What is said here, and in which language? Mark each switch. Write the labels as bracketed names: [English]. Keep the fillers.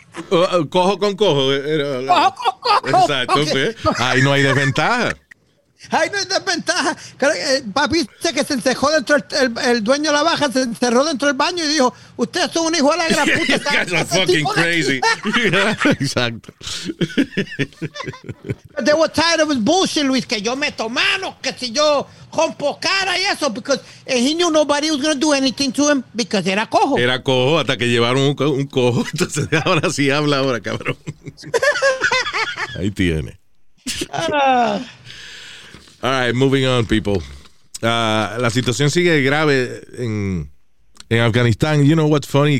[Spanish] Uh, uh, cojo con cojo. Eh, eh, eh. Cojo, con cojo Exacto. Ahí okay. okay. no hay desventaja. ¡Ay, no ventaja, desventaja! Papi dice que se encerró dentro del, el, el, dueño de la baja, se encerró dentro del baño y dijo, ustedes son un hijo de la puta. [English] you fucking crazy. [Spanish] Exacto. [English] But they were tired of his bullshit, Luis, [Spanish] que yo me mano, que si yo rompo cara y eso, [English] because he knew nobody was going to do anything to him, because [Spanish] era cojo. Era cojo, hasta que llevaron un, co- un cojo. Entonces, ahora sí habla ahora, cabrón. Ahí tiene. Uh. [English] All right, moving on, people. [Spanish] Uh, la situación sigue grave en, en Afganistán. [English] You know what's funny?